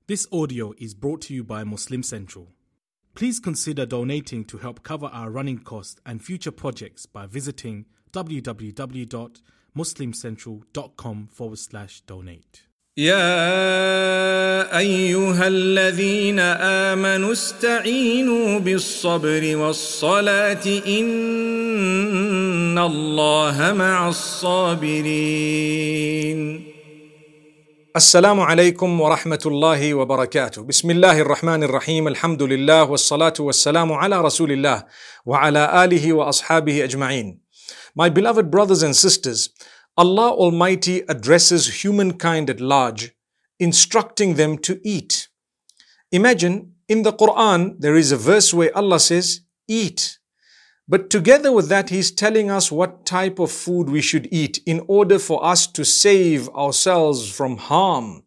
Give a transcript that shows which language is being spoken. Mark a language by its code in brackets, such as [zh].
[en] This audio is brought to you by Muslim Central. Please consider donating to help cover our running costs and future projects by visiting www.muslimcentral.com/donate. [ar] يا أيها الذين آمنوا استعينوا بالصبر والصلاة إن الله مع الصابرين. السلام عليكم ورحمة الله وبركاته. بسم الله الرحمن الرحيم. الحمد لله والصلاة والسلام على رسول الله وعلى آله وأصحابه أجمعين. [en] My beloved brothers and sisters, Allah Almighty addresses humankind at large, instructing them to eat. Imagine, in the Quran, there is a verse where Allah says, eat. But together with that, He's telling us what type of food we should eat in order for us to save ourselves from harm.